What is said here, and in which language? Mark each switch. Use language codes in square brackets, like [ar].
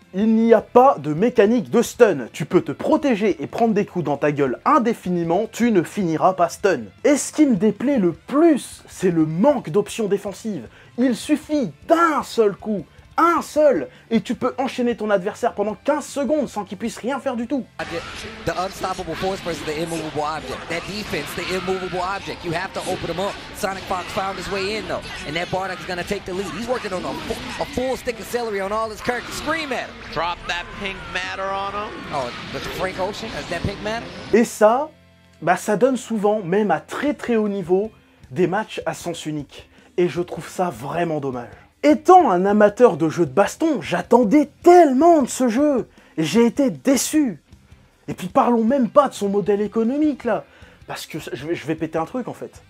[fr] Il n'y a pas de mécanique de stun. Tu peux te protéger et prendre des coups dans ta gueule indéfiniment, tu ne finiras pas stun. Et ce qui me déplaît le plus, c'est le manque d'options défensives. Il suffit d'un seul coup, un seul, et tu peux enchaîner ton adversaire pendant 15 secondes sans qu'il puisse rien faire du tout. [en] The unstoppable force versus the immovable object. That defense, the immovable object. You have to open him up. Sonic Fox found his way in though. And that Bardock is gonna take the lead. He's working on a full stick of celery on all his characters. Scream at him. Drop that pink matter on him. Oh, the Frank Ocean? Is that pink matter? [fr] Et ça, bah ça donne souvent, même à très très haut niveau, des matchs à sens unique. Et je trouve ça vraiment dommage. Étant un amateur de jeux de baston, j'attendais tellement de ce jeu, et j'ai été déçu. Et puis parlons même pas de son modèle économique là, parce que je vais péter un truc en fait.